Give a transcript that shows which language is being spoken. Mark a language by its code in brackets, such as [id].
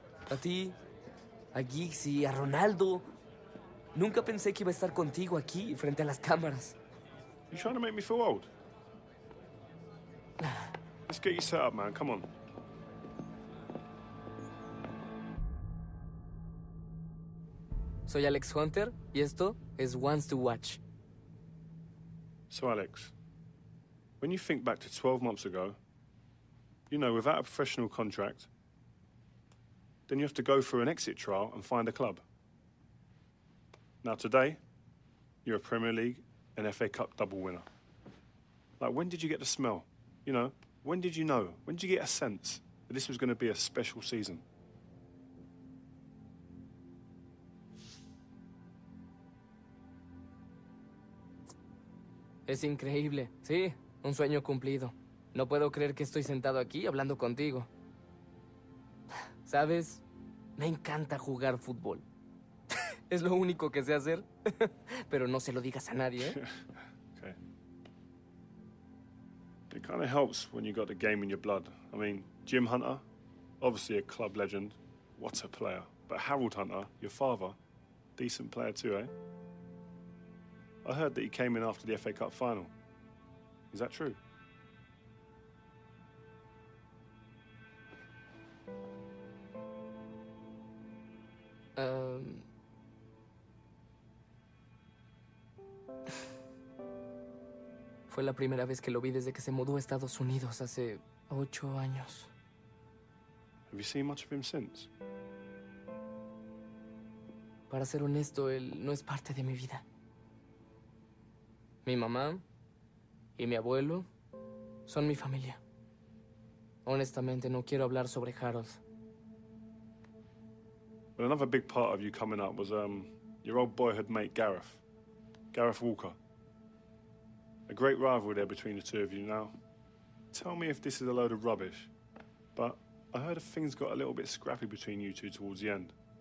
[es] A ti, a Giggs y a Ronaldo. Nunca pensé que iba a estar contigo aquí, frente a las cámaras. [en] You trying to make me feel old? Let's get you set up, man. Come on. [es] Soy Alex Hunter y esto es Once to Watch. [en] So Alex, when you think back to 12 months ago, you know, without a professional contract, then you have to go for an exit trial and find a club. Now today, you're a Premier League and FA Cup double winner. Like, when did you get the smell? You know, when did you know? When did you get a sense that this was going to be a special season? [es] Es increíble, sí, un sueño cumplido. No puedo creer que estoy sentado aquí hablando contigo. ¿Sabes? Me encanta jugar fútbol. Es lo único que sé hacer. Pero no se lo digas a nadie, ¿eh? [en] Okay. It kind of helps when you got the game in your blood. I mean, Jim Hunter, obviously a club legend. What a player. But Harold Hunter, your father, decent player too, ¿eh? I heard that he came in after the FA Cup final. Is that true? Um, [es] Fue la primera vez que lo vi desde que se mudó a Estados Unidos hace 8 años. [en] Have you seen much of him since? [es] Para ser honesto, él no es parte de mi vida. Mi mamá y mi abuelo son mi familia. Honestamente, no quiero hablar sobre Harold. [en] Well, another big part of you coming up was your old boyhood mate, Gareth. Gareth Walker. A great rivalry there between the two of you now. Tell me if this is a load of rubbish, but I heard things got a little bit scrappy between you two towards the end.